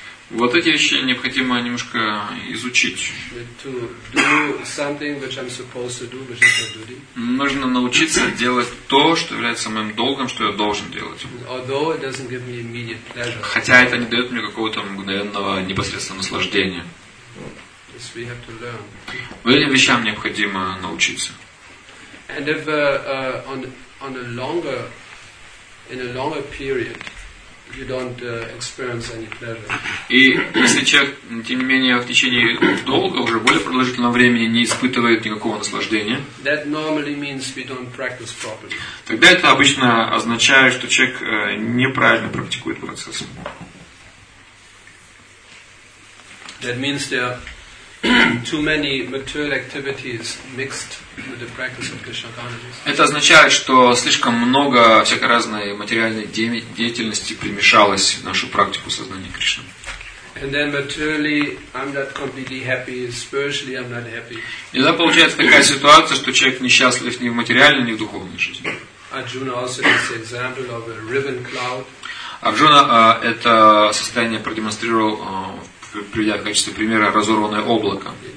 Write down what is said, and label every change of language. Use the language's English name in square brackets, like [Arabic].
[Russian] Вот эти вещи необходимо немножко изучить. [English] To do something which I'm supposed to do, which is my duty. [Russian] Нужно научиться делать то, что является моим долгом, что я должен делать. [English] Although it doesn't give me immediate pleasure. [Russian] Хотя это не дает мне какого-то мгновенного непосредственного наслаждения. [English] This we have to learn. [Russian] Этим вещам необходимо научиться. [English] And if on a longer period. You don't experience any pleasure. [Russian] И если человек, тем не менее, в течение долго, уже более продолжительного времени, не испытывает никакого наслаждения, [English] that normally means we don't practice properly. [Russian] Тогда это обычно означает, что человек неправильно практикует процесс. [English] That means there are too many material activities mixed with the practice of Krishna consciousness. [Russian] Это означает, что слишком много всякой разной материальной деятельности примешалось в нашу практику сознания Кришны. [English] And then materially I'm not completely happy, spiritually I'm not happy. [Russian] Иногда получается такая ситуация, что человек несчастлив ни в материальной, ни в духовной жизни. [English] Arjuna also gives an example of a riven cloud. [Russian] Арджуна это состояние продемонстрировал, приведя в качестве примера разорванное облако.